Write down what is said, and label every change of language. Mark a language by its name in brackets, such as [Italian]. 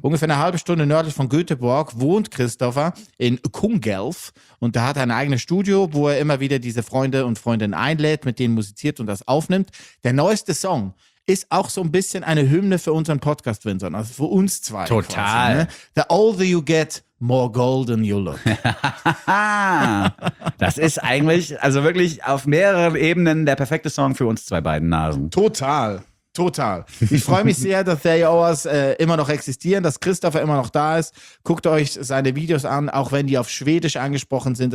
[German] Ungefähr eine halbe Stunde nördlich von Göteborg wohnt Christopher in Kungälv. Und da hat er ein eigenes Studio, wo er immer wieder diese Freunde und Freundinnen einlädt, mit denen musiziert und das aufnimmt. Der neueste Song ist auch so ein bisschen eine Hymne für unseren Podcast, Winson, also für uns zwei. Total. Quasi, ne? [English] The older you get, more golden you look. [German] Das ist eigentlich, also wirklich auf mehreren Ebenen der perfekte Song für uns zwei beiden Nasen. Total. Total. Ich freue mich sehr, dass They Owe Us immer noch existieren, dass Christopher immer noch da ist. Guckt euch seine Videos an, auch wenn die auf Schwedisch angesprochen sind.